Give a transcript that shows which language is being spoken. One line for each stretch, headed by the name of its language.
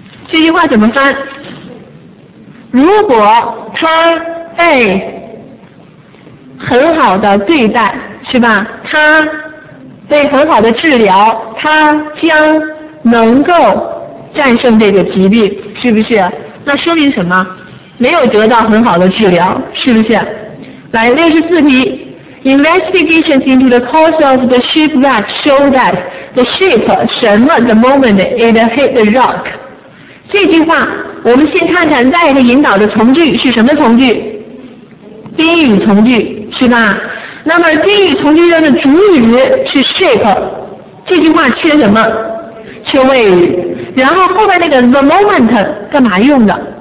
Chinese: 这句话怎么翻？如果他被很好的对待，是吧？他被很好的治疗，他将能够战胜这个疾病，是不是？那说明什么？没有得到很好的治疗，是不是？来，64题。
English: Investigations into the cause of the shipwreck show that the ship,
Chinese: 什么
English: the moment it hit the rock.
Chinese: 这句话我们先看看在这引导的从句是什么从句？宾语从句，是吧？那么宾语从句中的主语是 ship， 这句话缺什么？缺谓语。然后后面那个 the moment 干嘛用的？